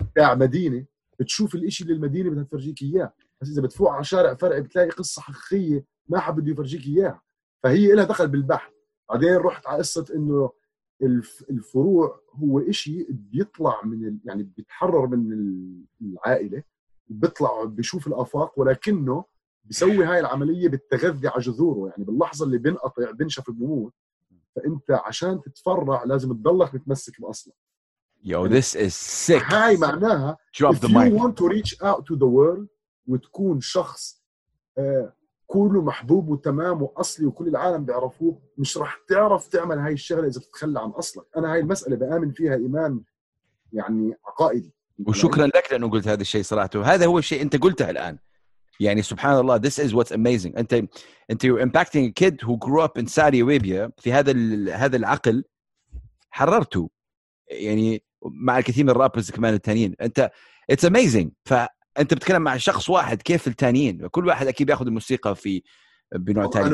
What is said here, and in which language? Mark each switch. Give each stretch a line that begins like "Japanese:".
Arabic: تاع مدينة بتشوف الإشي اللي المدينة بدها تفرجيك إياه بس إذا بتفوق على شارع فرعي بتلاقي قصة حقيقية ما حد بده يفرجيك إياها فهي إلها دخل بالبحث بعدين رحت على قصة إنه الفروع هو إشي بيطلع من يعني بيتحرر من العائلة بيطلع بيشوف الأفاق ولكنه بيسوي هاي العملية بالتغذي على جذوره يعني باللحظة اللي بنقطع بنشف بموت فانت عشان تتفرع لازم تضلك متمسك باصلك
English: you this is sick
Arabic: هاي معناها
English: if you want to reach out to the world
Arabic: وتكون شخص كله محبوب وتمام وأصلي وكل العالم بيعرفوه، مش رح تعرف تعمل هاي الشغلة إذا بتتخلى عن أصلك. أنا هاي المسألة بآمن فيها إيمان يعني عقائدي. وشكرا لك لأنه قلت هذا الشيء صراحة، وهذا هو الشيء أنت قلته الآن. يعني سبحان الله،
English: this is what's amazing.
Arabic: أنت
English: you're impacting a kid who grew up in Saudi Arabia
Arabic: في هذا العقل حررته. يعني مع الكثير من الرابرز كمان التانيين، أنت
English: it's amazing.
Arabic: فأنت بتكلم مع شخص واحد، كيف التانيين؟ كل واحد أكيد بياخد الموسيقى في بنوع تاني.